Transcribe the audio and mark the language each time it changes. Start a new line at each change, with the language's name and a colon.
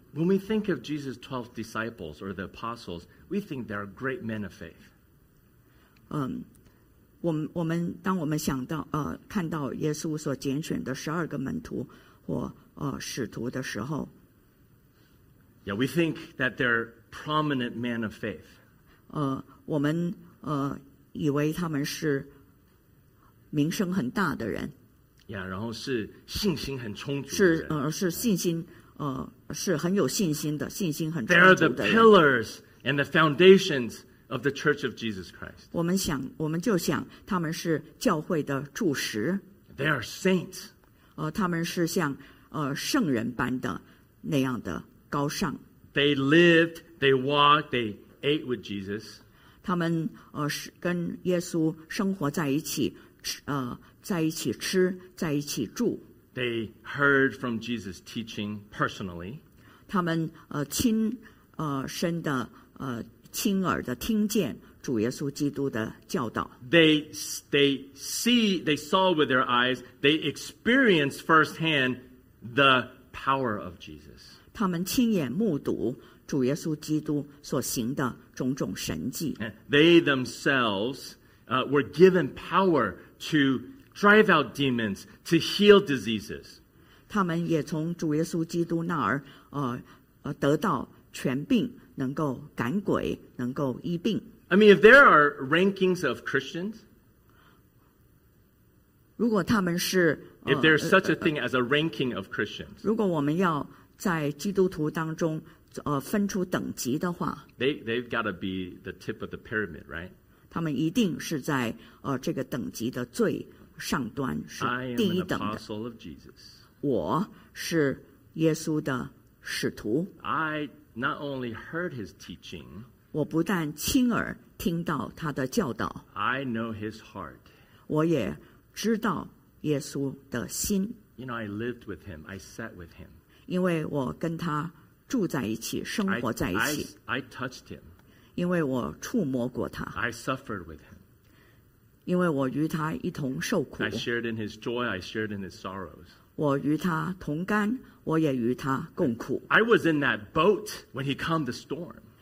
English: When we think of Jesus' 12 disciples or the apostles, we think they are great men of faith.
Chinese: 我们当我们想到看到耶稣所拣选的十二个门徒或使徒的时候，
English: Yeah, we think that they're prominent men of faith.
Chinese: 我们以为他们是名声很大的人。 Yeah, 然后是信心很充足的人。是信心是很有信心的，信心很充足的人。
English: They are the pillars and the foundations of the Church of Jesus Christ.
Chinese: 我们就想他们是教会的柱石。
English: They are saints.
Chinese: 他们是像圣人般的那样的高尚。
English: They lived, they walked, they ate with Jesus.
Chinese: 他们跟耶稣生活在一起，在一起吃，在一起住。
English: They heard from Jesus' teaching personally.
Chinese: 他们亲耳的听见主耶稣基督的教导。
English: They saw with their eyes. They experienced firsthand the power of Jesus.
Chinese: 他们亲眼目睹主耶稣基督所行的种种神迹。
English: They themselves were given power to drive out demons, to heal diseases.
Chinese: 他们也从主耶稣基督那儿得到权柄，能够赶鬼，能够医病。
English: I mean, if there are rankings of Christians,
Chinese: 如果他们是
English: if there is such a thing as a ranking of Christians,
Chinese: 如果我们要在基督徒当中分出等级的话，
English: they've got to be the tip of the pyramid, right?
Chinese: 他们一定是在这个等级的最上端，是第一等的。
English: I am an apostle of Jesus.
Chinese: 我是耶稣的使徒。
English: I not only heard his teaching,
Chinese: 我不但亲耳听到他的教导。
English: I know his heart.
Chinese: 我也知道耶稣的心。
English: You know, I lived with him. I sat with him.
Chinese: 因为我跟他住在一起，生活在一起。
English: I touched him.
Chinese: 因为我触摸过他。
English: I suffered with him.
Chinese: 因为我与他一同受苦。
English: I shared in his joy, I shared in his sorrows.
Chinese: 我与他同甘，我也与他共苦。
English: I was in that boat when he calmed the storm.